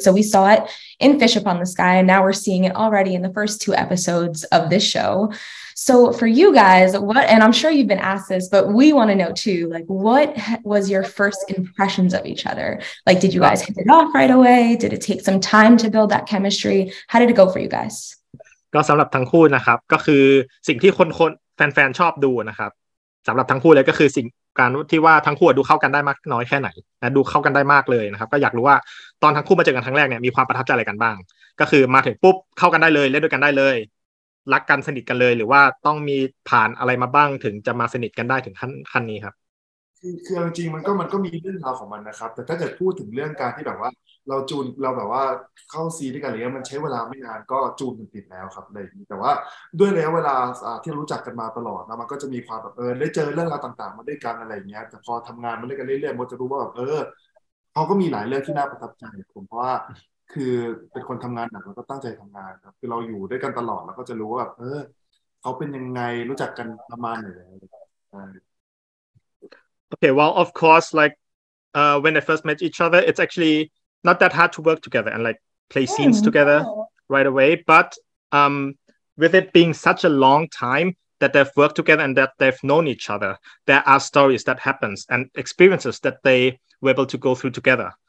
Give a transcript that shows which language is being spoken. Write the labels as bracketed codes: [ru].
[en] So we saw it in Fish Upon the Sky, and now we're seeing it already in the first two episodes of this show. So for you guys, what, and I'm sure you've been asked this, but we want to know too, like, what was your first impressions of each other? Like, did you guys hit it off right away? Did it take some time to build that chemistry? How did it go for you guys? [th] ก็สำหรับทั้งคู่นะครับก็คือสิ่งที่คนๆแฟนๆชอบดูนะครับสำหรับทั้งคู่เลยก็คือสิ่งการที่ว่าทั้งคู่ดูเข้ากันได้มากน้อยแค่ไหนนะดูเข้ากันได้มากเลยนะครับก็อยากรู้ว่าตอนทั้งคู่มาเจอกันครั้งแรกเนี่ยมีความประทับใจอะไรกันบ้างก็คือมาถึงปุ๊บเข้ากันได้เลยเล่นด้วยกันได้เลยรักกันสนิทกันเลยหรือว่าต้องมีผ่านอะไรมาบ้างถึงจะมาสนิทกันได้ถึงขั้นนี้ครับ คือจริงๆมันก็มีเรื่องราวของมันนะครับแต่ถ้าเกิดพูดถึงเรื่องการที่แบบว่าเราแบบว่าเข้าซีด้วยกันเลยมันใช้เวลาไม่นานก็จูนกันติดแล้วครับเลยแต่ว่าด้วยระยะเวลาที่รู้จักกันมาตลอดนะมันก็จะมีความแบบได้เจอเรื่องราวต่างๆมาด้วยกันอะไรเงี้ยแต่พอทำงานมาด้วยกันเรื่อยๆมันจะรู้ว่าแบบเขาก็มีหลายเรื่องที่น่าประทับใจผมเพราะว่าคือเป็นคนทำงานหนักแล้วก็ตั้งใจทำงานครับคือเราอยู่ด้วยกันตลอดแล้วก็จะรู้ว่าแบบเขาเป็นยังไงรู้จักกันประมาณไหน [en] Okay, well, of course, like, when I first met each other, it's actually not that hard to work together and, like, play scenes together right away. But with it being such a long time that they've worked together and that they've known each other, there are stories that happens and experiences that they were able to go through together.